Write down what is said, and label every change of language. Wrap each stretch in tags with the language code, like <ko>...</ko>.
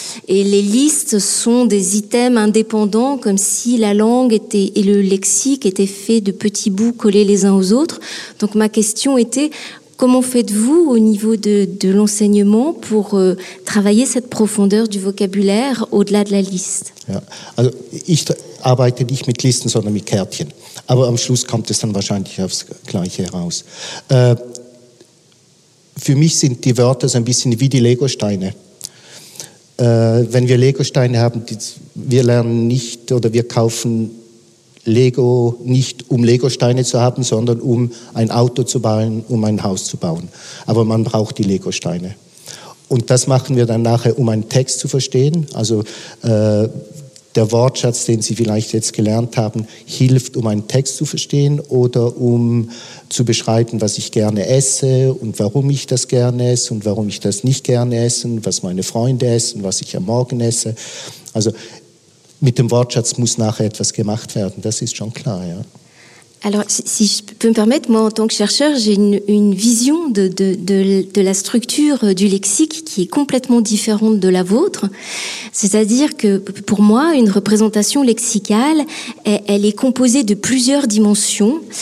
<fr>Et les listes sont des items indépendants, comme si la langue était, et le lexique étaient faits de petits bouts collés les uns aux autres. Donc ma question était... Comment faites-vous au niveau de l'enseignement pour travailler cette profondeur du vocabulaire au-delà de la liste?</fr> <de>Ja, also ich arbeite nicht mit Listen, sondern mit Kärtchen. Aber am Schluss kommt es dann wahrscheinlich aufs Gleiche heraus. Für mich sind die Wörter so ein bisschen wie die Legosteine. Wenn wir Legosteine haben, wir lernen nicht oder wir kaufen Lego nicht, um Legosteine zu haben, sondern um ein Auto zu bauen, um ein Haus zu bauen. Aber man braucht die Legosteine. Und das machen wir dann nachher, um einen Text zu verstehen. Also der Wortschatz, den Sie vielleicht jetzt gelernt haben, hilft, um einen Text zu verstehen oder um zu beschreiben, was ich gerne esse und warum ich das gerne esse und warum ich das nicht gerne esse, was meine Freunde essen, was ich am Morgen esse. Also mit dem Wortschatz muss nachher etwas gemacht werden, das ist schon klar, ja.</de> <fr>Alors, si je peux me permettre, moi, en tant que chercheur, j'ai une vision de la structure du lexique qui est complètement différente de la vôtre. C'est-à-dire que, pour moi, une représentation lexicale, elle est composée de plusieurs dimensions.</fr>